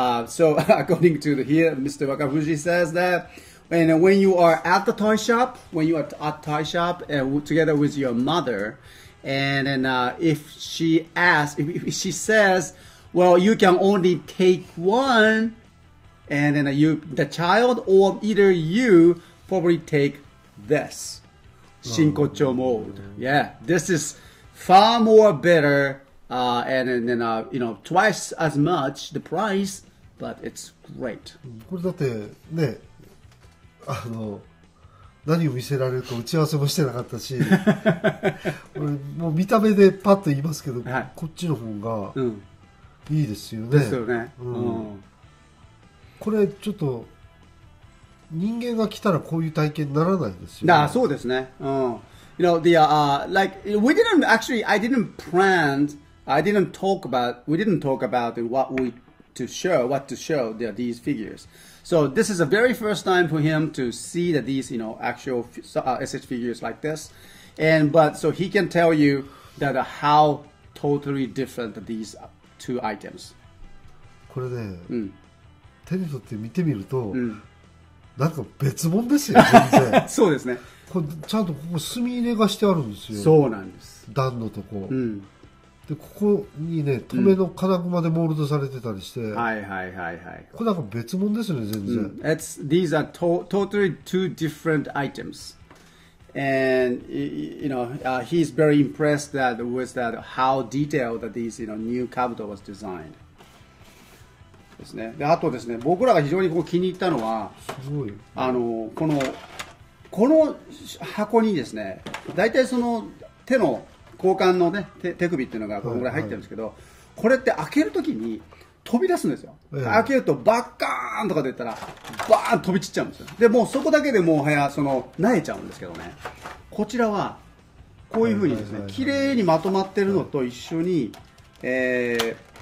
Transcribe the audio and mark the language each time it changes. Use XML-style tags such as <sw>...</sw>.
<en>So according to the here, Mr. Wakafuji says that, and when you are at the toy shop, when you are at the toy shop and together with your mother, and then if she asks, if she says, well, you can only take one, and then you, the child, or either you probably take this. Shinkocho mold. Yeah, this is far more better, and you know, twice as much the price, but it's great.</en> <ja>これだってね、あの、何を見せられるか打ち合わせもしてなかったし、これもう見た目でパッと言いますけど、はい、こっちの方がいいですよね。ですよね。うん。これちょっと人間が来たらこういう体験にならないですよね。そうですね。</ja> <en>You know, the, like, we didn't actually, I didn't plan, I didn't talk about, we didn't talk about what we, to show, what to show the, these figures. So this is the very first time for him to see that these, you know, actual SH figures like this. And, but, so he can tell you that how totally different these two items.</en> <ja>これね、手に取って見てみると、なんか別物ですよ、全然。そうですね。これちゃんとここ墨入れがしてあるんですよ。そうなんです。段のとこ。うん、で、ここにね、留めの金具までモールドされてたりして。はいはいはいはい。これなんか別物ですね、全然。</ja> <en>It's, these are totally two different items. And, you know, he's very impressed that with that how detailed that these, you know, new kabuto was designed.</en> <ja>ですね、であとですね、僕らが非常にここ気に入ったのは、すごい、あの、この、この箱にですね、大体その手の交換のね、手首っていうのがこのぐらい入ってるんですけど、はいはい、これって開けるときに飛び出すんですよ、開けるとバッカーンとかでいったら、バーン飛び散っちゃうんですよ、でもうそこだけでもうはや、その、なえちゃうんですけどね、こちらはこういうふうにですね、綺麗にまとまってるのと一緒に、はい、</ja>